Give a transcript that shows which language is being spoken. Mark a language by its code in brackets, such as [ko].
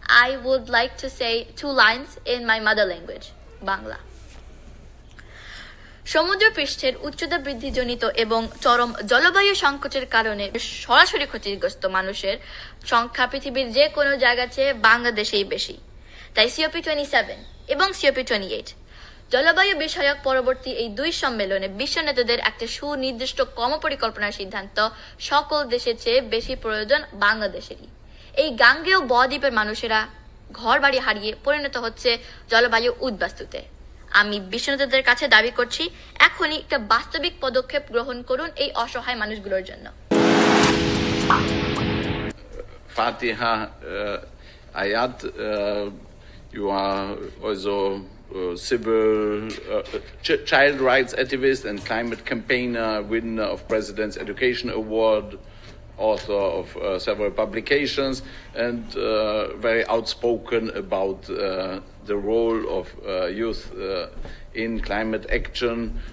[en] I would like to say two lines in my mother language, Bangla. [bn] সমুদ্র পৃষ্ঠের উচ্চতা বৃদ্ধিজনিত এবং চরম জলবায়ু সংকটের কারণে সরাসরি ক্ষতিগ্রস্ত মানুষের সংখ্যা পৃথিবীর যে কোনো জায়গা চেয়ে বাংলাদেশেই বেশি। তাই COP27 এবং COP28 জলবায়ু বিষয়ক পরবর্তী এই দুই সম্মেলনে বিশ্ব নেতাদের একটা সুনির্দিষ্ট কর্মপরিকল্পনার সিদ্ধান্ত সকল দেশের চেয়ে বেশি প্রয়োজন বাংলাদেশেরই। এই গাঙ্গেয় বদ্বীপের মানুষেরা ঘর বাড়ি হারিয়ে পরিণত হচ্ছে জলবায়ু উদ্বাস্তুতে। আমি বিশ্বনেতাদের কাছে দাবি করছি, এখনই একটা বাস্তবিক পদক্ষেপ গ্রহণ করুন এই অসহায় মানুষগুলোর জন্য। [en] Faatiha Aayat, you are also civil child rights activist and climate campaigner, winner of President's Education Award, author of several publications, and very outspoken about the role of youth in climate action.